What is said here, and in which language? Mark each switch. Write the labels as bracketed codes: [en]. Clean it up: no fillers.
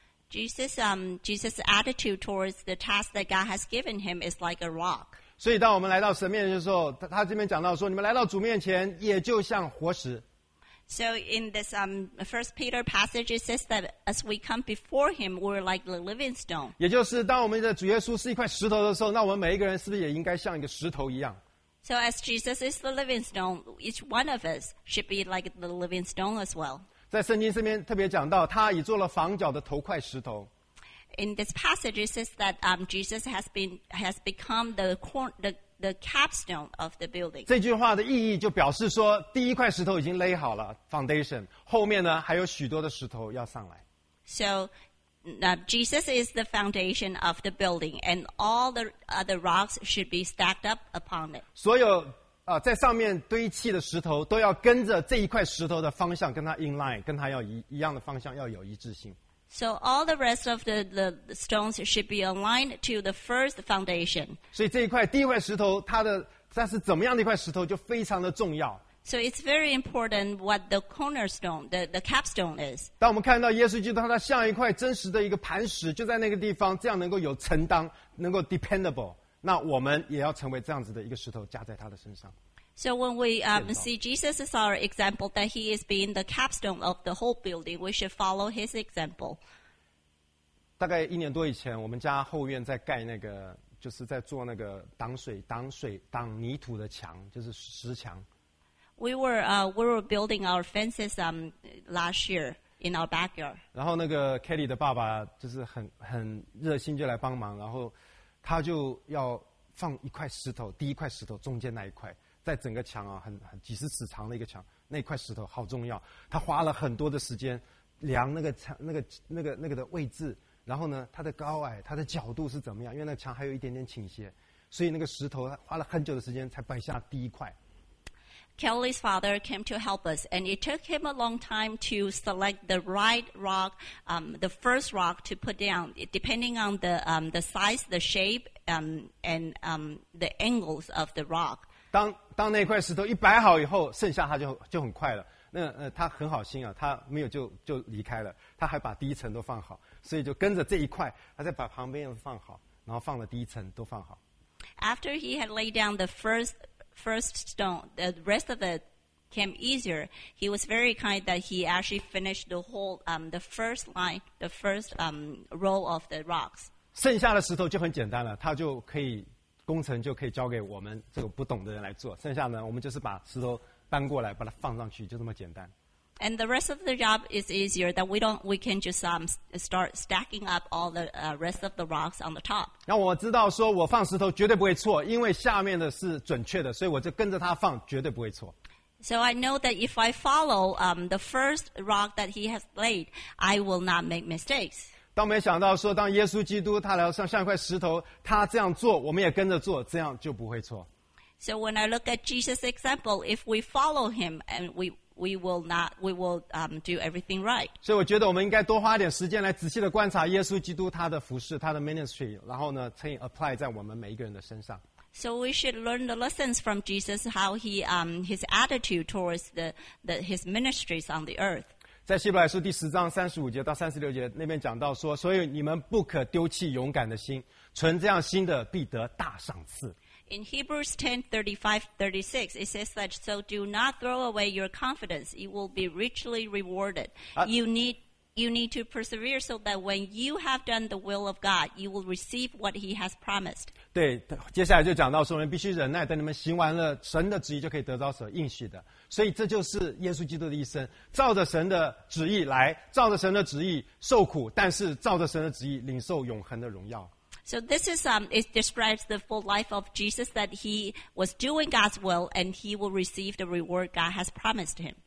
[en] Jesus' attitude towards the task that God has given him is like a rock. [zh] 所以当我们来到神面前的时候，他这边讲到说，你们来到主面前也就像活石。 [en] So in this First Peter passage, it says that as we come before Him, we're like the living stone. [zh] 也就是当我们的主耶稣是一块石头的时候，那我们每一个人是不是也应该像一个石头一样 [en] ？So as Jesus is the living stone, each one of us should be like the living stone as well. [zh] 在圣经这边特别讲到，他已做了房角的头块石头。 [en] In this passage, it says that Jesus has become the capstone of the building. [zh] 这句话的意义就表示说，第一块石头已经垒好了 [en] foundation， [zh] 后面呢还有许多的石头要上来。 [en] So, Jesus is the foundation of the building, and all the other rocks should be stacked up upon it. [zh] 所有在上面堆砌的石头都要跟着这一块石头的方向跟它 [en] in line， [zh] 跟它要一样的方向，要有一致性。 [en] So all the rest of the stones should be aligned to the first foundation. [zh] 所以这一块第一块石头，它是怎么样的一块石头就非常的重要。 [en] So it's very important what the cornerstone, the capstone is. [zh] 当我们看到耶稣基督，他像一块真实的一个磐石，就在那个地方，这样能够有承担，能够 [en] dependable。 [zh] 那我们也要成为这样子的一个石头，加在他的身上。 [en] So when we see Jesus as our example, that he is being the capstone of the whole building, we should follow his example. [zh] 大概一年多以前，我们家后院在盖那个，就是在做那个挡泥土的墙，就是石墙。 [en] We were building our fences last year in our backyard. [zh] 然后那个 Kelly 的爸爸就是很热心，就来帮忙，然后。他就要放一块石头，第一块石头中间那一块，在整个墙啊，很几十尺长的一个墙，那块石头好重要。他花了很多的时间量那个的位置，然后呢，它的高矮、它的角度是怎么样？因为那墙还有一点点倾斜，所以那个石头花了很久的时间才摆下第一块。 [en] Kelly's father came to help us, and it took him a long time to select the right rock, the first rock to put down, depending on the size, the shape, and the angles of the rock. [zh] 当那块石头一摆好以后，剩下他就很快了。那他很好心啊，他没有就离开了，他还把第一层都放好，所以就跟着这一块，他再把旁边放好，然后放了第一层都放好。 [en] After he had laid down the first stone, the rest of it came easier. He was very kind that he actually finished the whole, the first line, the first row of the rocks. [zh] 剩下的石头就很简单了，他就可以工程就可以交给我们这个不懂的人来做。剩下呢，我们就是把石头搬过来，把它放上去，就这么简单。 [en] And the rest of the job is easier that we can just start stacking up all the rest of the rocks on the top. [zh] 让我知道说我放石头绝对不会错, 因为下面的是准确的, 所以我就跟着他放, 绝对不会错。 [en] So I know that if I follow the first rock that he has laid, I will not make mistakes. [zh] 当没想到说, 当耶稣基督他来到像一块石头, 他这样做, 我们也跟着做, 这样就不会错。 [en] So when I look at Jesus' example, if we follow him and we will do everything right. [zh] 所以我觉得我们应该多花点时间来仔细地观察耶稣基督他的服事, 他的 [en] ministry, [zh] 然后呢, 可以 [en] apply [zh] 在我们每一个人的身上。 [en] So we should learn the lessons from Jesus, how he, his attitude towards his ministries on the earth. [zh] 在希伯来书第10章35节到36节, 那边讲到说, 所以你们不可丢弃勇敢的心, 存这样心的必得大赏赐。 [en] In Hebrews 10:35-36, it says that, so do not throw away your confidence. You will be richly rewarded. You need to persevere so that when you have done the will of God, you will receive what he has promised. [zh] 对,接下来就讲到说,我们必须忍耐,等你们行完了神的旨意就可以得到所应许的。所以这就是耶稣基督的一生,照着神的旨意来,照着神的旨意受苦,但是照着神的旨意领受永恒的荣耀。 [en] So this is it describes the full life of Jesus, that he was doing God's will and he will receive the reward God has promised him.